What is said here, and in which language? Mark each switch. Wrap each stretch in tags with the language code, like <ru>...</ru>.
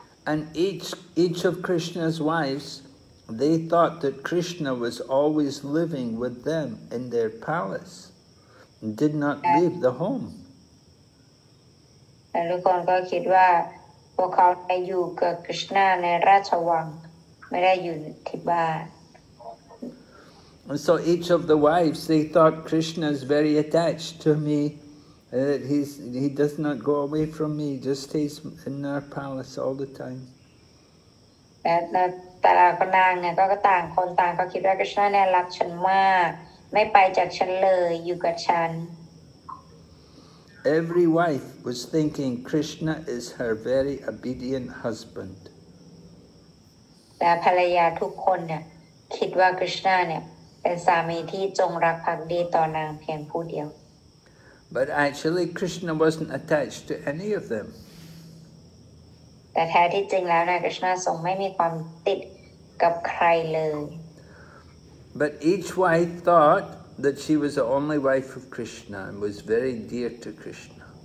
<en>And each of Krishna's wives, they thought that Krishna was always living with them in their palace, and did not leave the home.</en> <th>แล้วทุกคนก็คิดว่าพวกเขาไปอยู่กับคริชนาในราชวังไม่ได้อยู่ที่บ้าน</th> <en>And so each of the wives they thought Krishna is very attached to me that he does not go away from me just stays in our palace all the time</en> <th>แต่ละคนนางเนี่ยก็ต่างคนต่างก็คิดว่าคริชนาเนี่ยรักฉันมากไม่ไปจากฉันเลยอยู่กับฉัน</th> <en>Every wife was thinking Krishna is her very obedient husband.</en> <th>และภรรยาทุกคนเนี่ยคิดว่าคริชนาเนี่ยเป็นสามีที่จงรักภักดีต่อนางเพียงผู้เดียว</th> <en>But actually Krishna wasn't attached to any of them.</en> <th>แต่แท้ที่จริงแล้วนะคริชนาทรงไม่มีความติดกับใครเลย</th> <en>But each wife thoughtthat she was the only wife of Krishna and was very dear to Krishna.</en>